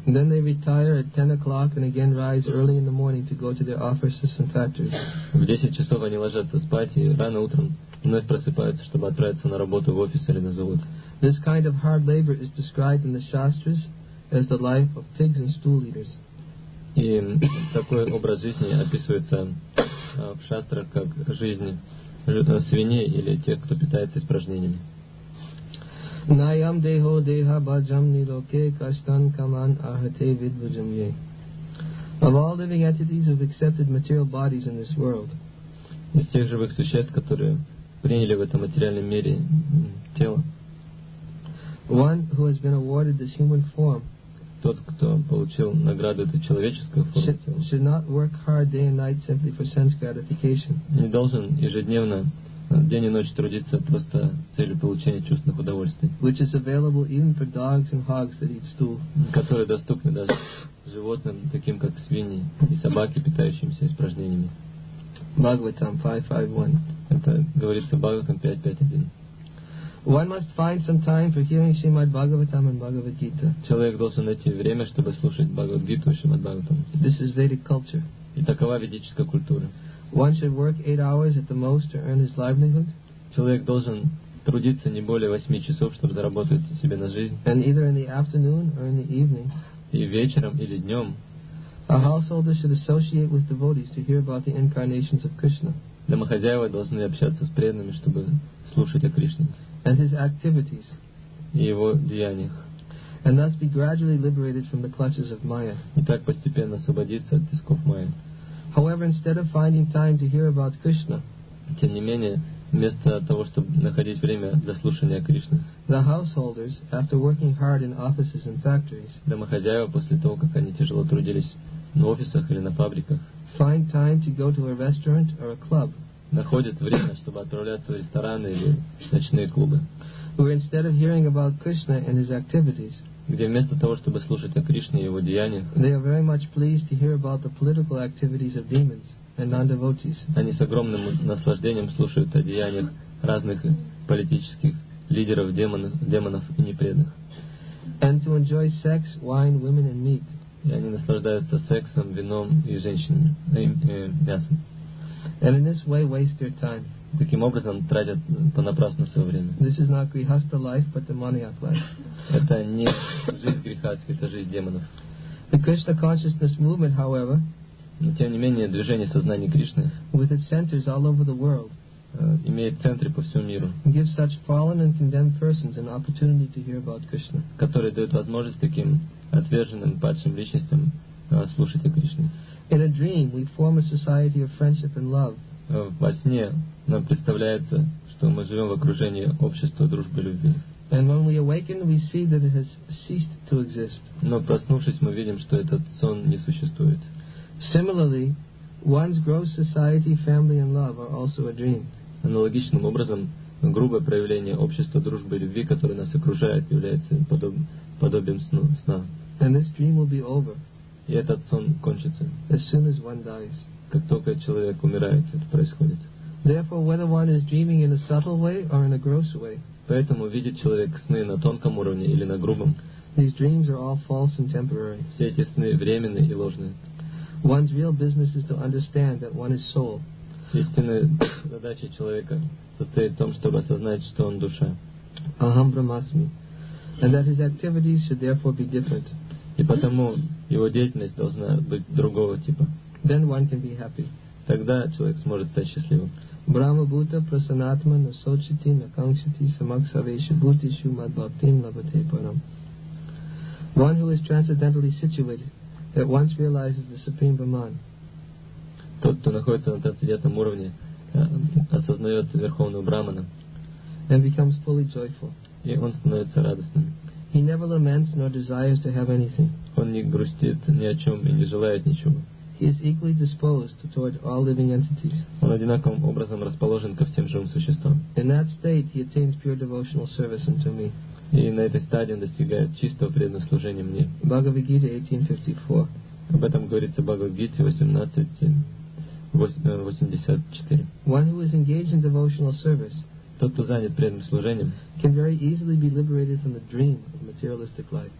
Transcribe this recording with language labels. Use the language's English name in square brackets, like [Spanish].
[English] And then they retire at 10 o'clock and again rise early in the morning to go to their offices and factories. [Russian] В 10 часов они ложатся спать и рано утром вновь просыпаются, чтобы отправиться на работу в офис или на завод. [English] This kind of hard labor is described in the Shastras as the life of pigs and stool eaters. [Russian] И такой образ жизни описывается в Шастрах как жизнь свиней или тех, кто питается испражнениями. [Sanskrit] Nayam deho deha bhajam niloke kashtan kaman ahate vidvajamye. [English] Of all living entities who have accepted material bodies in this world, [Russian] из тех живых существ, которые приняли в этом материальном мире тело, [English] one who has been awarded this human form, [Russian] тот, кто получил награду этой человеческой формы тела, [English] should not work hard day and night simply for sense gratification. [Russian] Не должен ежедневно день и ночь трудиться просто с целью получения чувственных удовольствий, [English] which is available even for dogs and hogs that eat stool, [Russian] которые доступны даже животным, таким как свиньи и собаки, питающимся испражнениями. [English] Bhagavatam 5.5.1. [Russian] Это говорится в Бхагаватам 5.5.1. [English] One must find some time for hearing Srimad Bhagavatam and Bhagavad Gita. [Russian] Человек должен найти время, чтобы слушать Бхагавад Гиту и Шримад Бхагаватам. [English] This is Vedic culture. [Russian] И такова ведическая культура. [English] One should work 8 hours at the most to earn his livelihood. [Russian] Человек должен трудиться не более 8 часов, чтобы заработать себе на жизнь. [English] And either in the afternoon or in the evening. [Russian] И вечером или днем. [English] A householder should associate with devotees to hear about the incarnations of Krishna. [Russian] Домохозяева должны общаться с преданными, чтобы слушать о Кришне. [English] And his activities. [Russian] И его деяниях. [English] And thus be gradually liberated from the clutches of Maya. [Russian] И так постепенно освободиться от тисков Майя. [English] However, instead of finding time to hear about Krishna, [Russian] тем не менее, вместо того, чтобы находить время для слушания Кришны, [English] the householders, after working hard in offices and factories, [Russian] домохозяева после того, как они тяжело трудились в офисах или на фабриках, [English] find time to go to a restaurant or a club, [Russian] находят время, чтобы отправляться в рестораны или ночные клубы, [English] where instead of hearing about Krishna and his activities, [Russian] где вместо того, чтобы слушать о Кришне и его деяниях, они с огромным наслаждением слушают о деяниях разных политических лидеров, демонов и непреданных. [English] And to enjoy sex, wine, women and meat. [Russian] И они наслаждаются сексом, вином и женщинами, мясом. [English] And in this way waste their time. [Russian] Таким образом, тратят понапрасну свое время. [English] This is not grihastha life, but demoniac life. [Russian] Это не жизнь грихастская, это жизнь демонов. [English] The Krishna consciousness movement, however, [Russian] но тем не менее, движение сознания Кришны, [English] with its centers all over the world, [Russian] имеет центры по всему миру, [English] gives such fallen and condemned persons an opportunity to hear about Krishna, [Russian] которые дают возможность таким отверженным, падшим личностям слушать о Кришне. [English] In a dream, we form a society of friendship and love. [Russian] Во сне нам представляется, что мы живем в окружении общества дружбы и любви. [English] And when we awaken, we see that it has ceased to exist. [Russian] Но проснувшись, мы видим, что этот сон не существует. [English] Similarly, one's gross society, family and love are also a dream. [Russian] Аналогичным образом, грубое проявление общества дружбы и любви, которое нас окружает, является подобием сна. [English] And this dream will be over. [Russian] И этот сон кончится. [English] As soon as one dies. [Russian] Как только человек умирает, это происходит. [English] Therefore, whether one is dreaming in a subtle way or in a gross way, [Russian] поэтому видит человек сны на тонком уровне или на грубом, [English] these dreams are all false and temporary. [Russian] Все эти сны временные и ложные. [English] One's real business is to understand that one is soul. [Russian] Истинная задача человека состоит в том, чтобы осознать, что он душа. [Sanskrit] Aham Brahmasmi. [English] And that his activities should therefore be different. [Russian] И потому его деятельность должна быть другого типа. [English] Then one can be happy. [Russian] Тогда человек сможет стать счастливым. [Sanskrit] Брама Бута Прасанатма Насочити Накангшити Самаксавеши Бути Шумад Бхактим Лабате Парам. [English] One who is transcendentally situated, that once realizes the Supreme Brahman. [Russian] Тот, кто находится на трансцендентном уровне, осознает Верховного Брахмана. [English] And becomes fully joyful. [Russian] И он становится радостным. [English] He never laments nor desires to have anything. [Russian] Он не грустит ни о чем и не желает ничего. [English] He is equally disposed toward all living entities. [Russian] Он одинаковым образом расположен ко всем живым существам. [English] In that state, he attains pure devotional service unto me. [Russian] И на этой стадии он достигает чистого преданного служения мне. Бхагавад-гита 18:54. Об этом говорится в Бхагавад-гите 18:84. [English] One who is engaged in devotional service, [Russian] тот, кто занят преданным служением, [English] can very easily be liberated from the dream of materialistic life.